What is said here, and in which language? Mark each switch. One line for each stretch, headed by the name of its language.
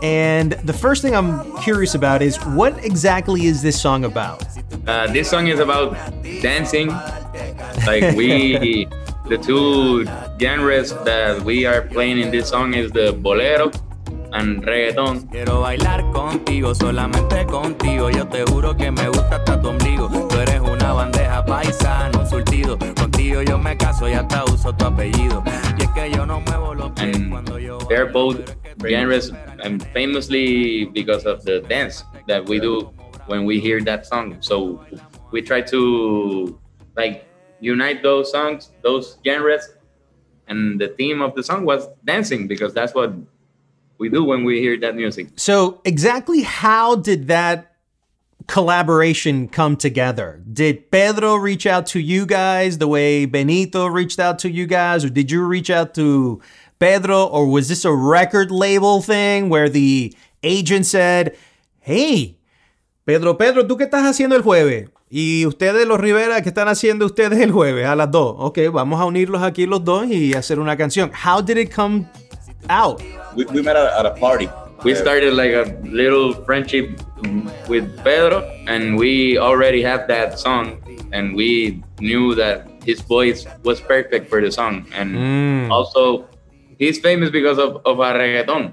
English: And the first thing I'm curious about is, what exactly is this song about? This song is about dancing. Like, we, the two genres that we are playing in this song is the bolero and reggaeton.
Spanish: Quiero bailar contigo, solamente contigo. Yo te juro que me gusta hasta tu ombligo. Tú eres una bandeja paisa, no surtido. Contigo yo me caso y hasta uso tu apellido. Y es que yo no muevo los pies cuando yo...
English: They're both genres, and famously because of the dance that we do when we hear that song. So we try to, like, unite those songs, those genres, and the theme of the song was dancing, because that's what we do when we hear that music. So exactly how did that collaboration come together? Did Pedro reach out to you guys the way Benito reached out to you guys? Or did you reach out to Pedro? Or was this a record label thing where the agent said, hey, Pedro, ¿tú qué estás haciendo el jueves?
Spanish: Y ustedes, los Rivera, ¿qué están haciendo ustedes el jueves a las dos? Okay, vamos a unirlos aquí los dos y hacer una canción.
English: How did it come out? We met at a party. We started like a little friendship with Pedro, and we already had that song, and we knew that his voice was perfect for the song. And also, he's famous because of a reggaeton.